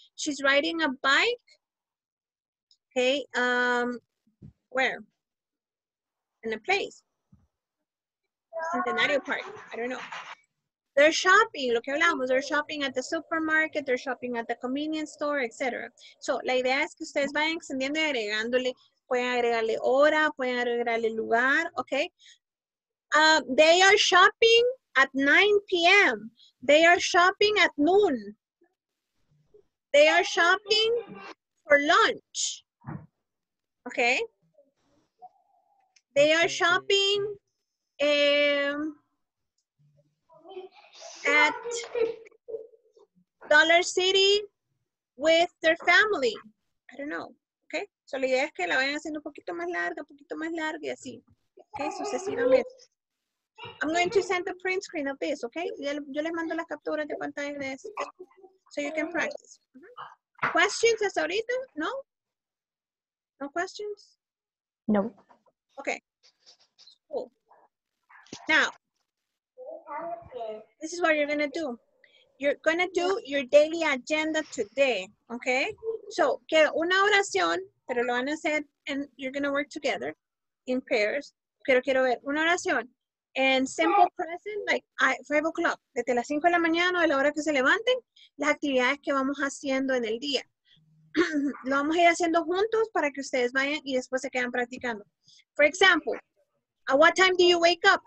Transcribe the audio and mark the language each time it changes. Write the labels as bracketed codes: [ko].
[en] She's riding a bike, okay, where? In a place, Centenario Park, I don't know. They're shopping, [es] lo que hablamos, [en] they're shopping at the supermarket, they're shopping at the convenience store, etc. [es] So, la idea es que ustedes vayan extendiendo y agregándole, pueden agregarle hora, pueden agregarle lugar, okay? [en] They are shopping at 9 p.m. They are shopping at noon. They are shopping for lunch, okay? They are shopping at Dollar City with their family. I don't know. Okay? [es] So la idea es que la vayan haciendo un poquito más larga y así. Okay? Sucesivamente. [en] I'm going to send the print screen of this, okay? [es] Yo les mando las capturas de pantalla de eso. [en] So you can practice. Questions [es] hasta ahorita? [en] No? No questions? No. Okay. Cool. Now, this is what you're going to do. You're going to do your daily agenda today, okay? So, [es] queda una oración, pero lo van a hacer, [en] and you're going to work together in pairs. [es] Pero quiero ver una oración. [en] And simple present, like at 5 o'clock, [es] desde las 5 de la mañana o de la hora que se levanten, las actividades que vamos haciendo en el día. Lo vamos a ir haciendo juntos para que ustedes vayan y después se quedan practicando. [en] For example, at what time do you wake up?